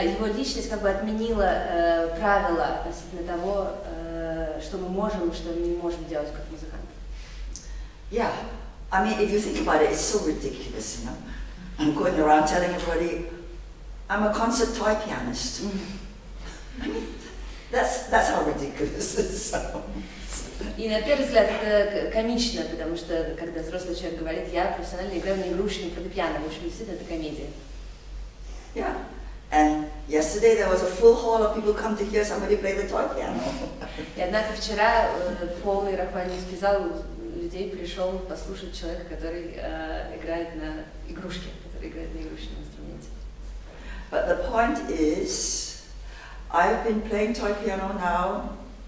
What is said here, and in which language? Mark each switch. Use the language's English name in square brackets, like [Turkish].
[Russian] Его личность как бы отменила правила относительно того, что мы можем, что мы не можем делать как музыканты. [English] Yeah, I mean, if you think about it, it's so ridiculous, you know. I'm going around telling everybody, I'm a concert toy pianist. I mean, that's how ridiculous it sounds. [Russian] И на первый взгляд это комично, потому что когда взрослый человек говорит, я профессионально играю на игрушечном фортепиано, в общем, действительно, это комедия. [English] Yeah. And yesterday there was a full hall of people come to hear somebody play the toy piano. [Russian] И однако вчера полный рахманинский зал людей пришел послушать человека, который играет на игрушке, который играет на игрушечном инструменте. [English] But the point is, I've been playing toy piano now.